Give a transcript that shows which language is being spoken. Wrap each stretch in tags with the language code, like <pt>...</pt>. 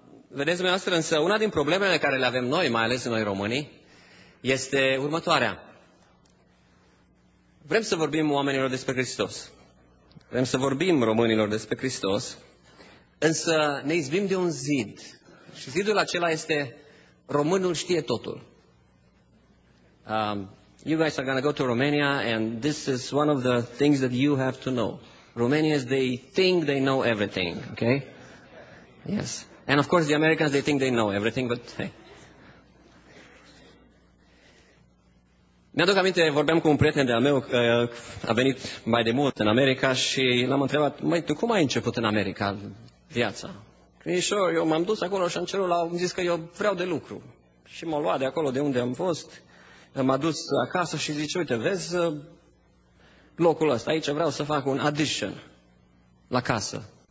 <ro>Vedeți, dumneavoastră, însă una din problemele care le avem noi, mai ales noi românii, este următoarea. Vrem să vorbim oamenilor despre Hristos. Vrem să vorbim românilor despre Hristos, însă ne izbim de un zid. Și zidul acela este: românul știe totul.</ro> <en>You guys are going to go to Romania and this is one of the things that you have to know. Romanians, they think they know everything, okay? Yes. And of course the Americans, they think they know everything, but hey.</en> <ro>Mi-aduc aminte, vorbeam cu un prieten de-al meu, a venit mai de mult în America și l-am întrebat: măi, tu cum ai început în America viața? Sure, eu m-am dus acolo și în celul am zis că eu vreau de lucru. Și m-a luat de acolo de unde am fost, m-a dus acasă și zice: uite, vezi locul ăsta, aici vreau să fac un addition la casă.</ro>